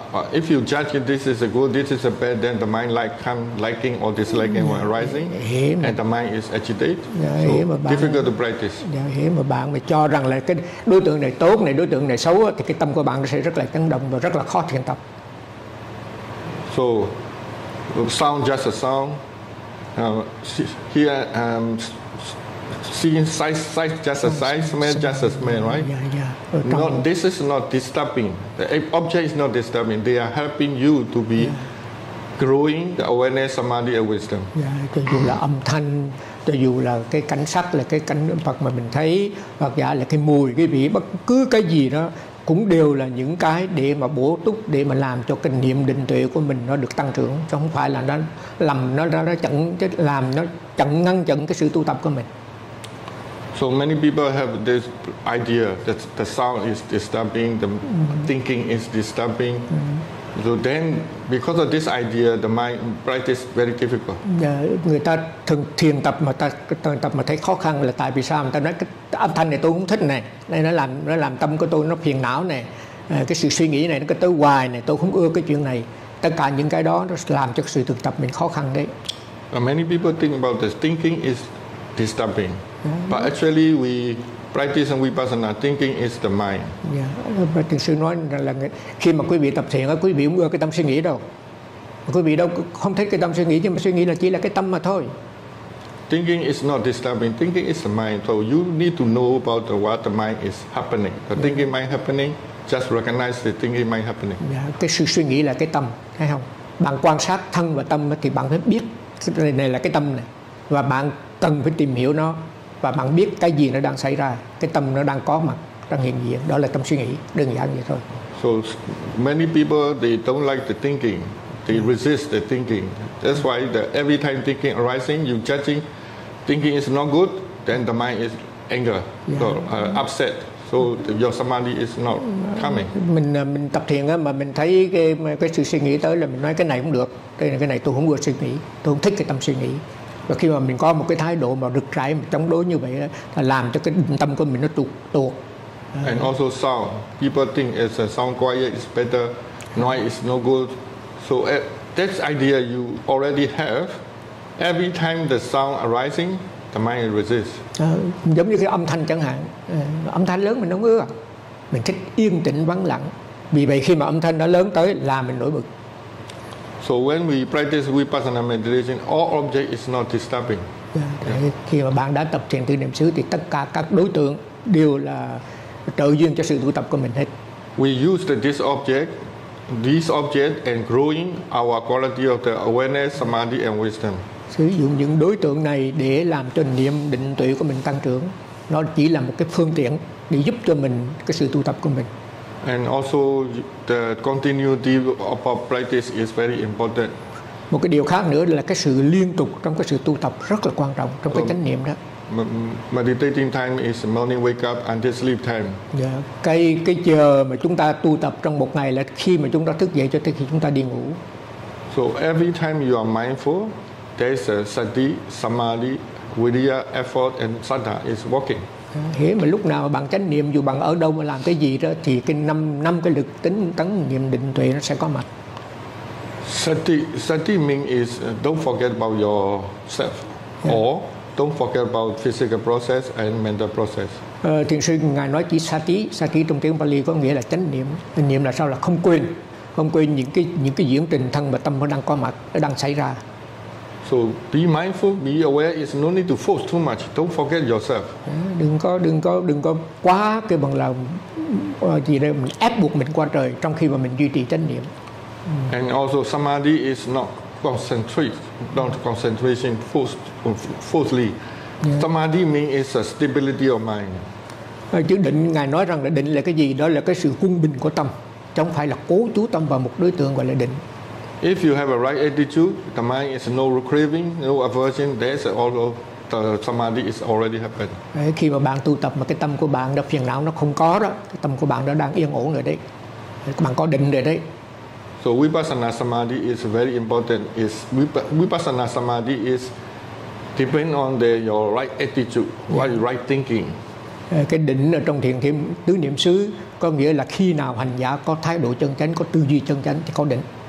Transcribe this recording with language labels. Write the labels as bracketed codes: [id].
[en] If you judge this is a good, this is a bad, then the mind like come liking or disliking or arising, and the mind is agitated. Difficult to practice. [vi] Mà bạn mà cho rằng là cái đối tượng này tốt này, đối tượng này xấu, thì cái tâm của bạn sẽ rất là chấn động và rất là khó thiền tập. [en] So sound just a sound, seeing size just a size, smell just a smell, right? No, this is not disturbing. The object is not disturbing. They are helping you to be growing the awareness, samadhi, and wisdom. [vi] Cho dù là âm thanh, cho dù là cái cảnh sắc, là cái cảnh vật mà mình thấy, hoặc giả là cái mùi, cái vị, bất cứ cái gì đó cũng đều là những cái để mà bổ túc, để mà làm cho cái niệm định tuệ của mình nó được tăng trưởng, chứ không phải là nó làm nó chặn ngăn chặn cái sự tu tập của mình. [en] So many people have this idea that the sound is disturbing, the thinking is disturbing. So then, because of this idea, the mind practice very difficult. [vi] Người ta thường thiền tập mà ta thường tập mà thấy khó khăn là tại vì sao? Người ta nói cái âm thanh này tôi cũng thích này, nên nó làm tâm của tôi nó phiền não này, cái sự suy nghĩ này nó cứ tới hoài này, tôi không ưa cái chuyện này. Tất cả những cái đó nó làm cho sự thực tập mình khó khăn đấy. [en] Many people think about this thinking is disturbing, but actually we practice and vipassana, thinking is the mind. [vi] Yeah, thiền sư nói là khi mà quý vị tập thiền, quý vị không ưa cái tâm suy nghĩ đâu. Quý vị đâu không thích cái tâm suy nghĩ, nhưng mà suy nghĩ là chỉ là cái tâm mà thôi. [en] Thinking is not disturbing. Thinking is the mind. So you need to know about the, what the mind is happening. The thinking mind happening, just recognize the thinking mind happening. [vi] Yeah, cái sự suy nghĩ là cái tâm, thấy không? Bạn quan sát thân và tâm thì bạn mới biết cái này là cái tâm này. Và bạn cần phải tìm hiểu nó. Và bạn biết cái gì nó đang xảy ra, cái tâm nó đang có mặt, đang hiện diện, đó là tâm suy nghĩ, đơn giản vậy thôi. [en] So many people they don't like the thinking, they resist the thinking. That's why the every time thinking arising, you judging, thinking is not good, then the mind is anger, upset. So your samadhi is not coming. [vi] Mình tập thiền á mà mình thấy cái sự suy nghĩ tới là mình nói cái này không được, cái này tôi không ưa suy nghĩ, tôi không thích cái tâm suy nghĩ. Và khi mà mình có một cái thái độ mà rực rãi mà chống đối như vậy là làm cho cái tâm của mình nó tuột. [en] And also sound, people think it's a sound quiet is better, noise is no good. So that idea you already have, every time the sound arising, the mind resists. [vi] Giống như cái âm thanh chẳng hạn, âm thanh lớn mình không ưa, mình thích yên tĩnh vắng lặng. Vì vậy khi mà âm thanh nó lớn tới là mình nổi bực. [en] So when we practice vipassana meditation, all object is not disturbing. [vi] Khi mà bạn đã tập thiền tư niệm xứ thì tất cả các đối tượng đều là trợ duyên cho sự tu tập của mình hết. [en] We use this object and growing our quality of the awareness, samadhi and wisdom. [vi] Sử dụng những đối tượng này để làm cho niệm định tuệ của mình tăng trưởng. Nó chỉ là một cái phương tiện để giúp cho mình cái sự tu tập của mình. [en] And also the continuity of our practice is very important. [vi] Một cái điều khác nữa là cái sự liên tục trong cái sự tu tập rất là quan trọng trong cái chánh niệm đó. [en] Meditating time is morning wake up and sleep time. Yeah. [vi] Cái giờ mà chúng ta tu tập trong một ngày là khi mà chúng ta thức dậy cho tới khi chúng ta đi ngủ. [en] So every time you are mindful, there is a sati, samadhi, vidya, effort and sadha is working. [vi] Thế mà lúc nào mà bạn chánh niệm, dù bạn ở đâu mà làm cái gì đó, thì cái năm cái lực tính tấn niệm định tuệ nó sẽ có mặt. [en] Sati means is don't forget about yourself, or don't forget about physical process and mental process. [vi] Thiền sư ngài nói chỉ sati trong tiếng Pali có nghĩa là chánh niệm. Niệm là sao? Là không quên những cái diễn trình thân và tâm nó đang có mặt, nó đang xảy ra. [en] So be mindful, be aware. It's no need to force too much. Don't forget yourself. [vi] Đừng có quá cái bằng là gì đây, mình ép buộc mình qua trời trong khi mà mình duy trì chánh niệm. [en] And also samadhi is not concentrated, not concentration forcefully. Samadhi means is a stability of mind. [vi] Chứ định ngài nói rằng là định là cái gì? Đó là cái sự quân bình của tâm, chứ không phải là cố chú tâm vào một đối tượng gọi là định. [en] If you have a right attitude, the mind is no craving, no aversion, there's also the samadhi is already happened. [vi] Khi mà bạn tu tập mà cái tâm của bạn đã phiền não nó không có đó, cái tâm của bạn đã đang yên ổn rồi đấy. Bạn có định rồi đấy. [en] So vipassana samadhi is very important. Is vipassana samadhi is depend on your right attitude, what right thinking. [vi] Cái định ở trong thiền thêm tứ niệm xứ có nghĩa là khi nào hành giả có thái độ chân chánh, có tư duy chân chánh thì có định.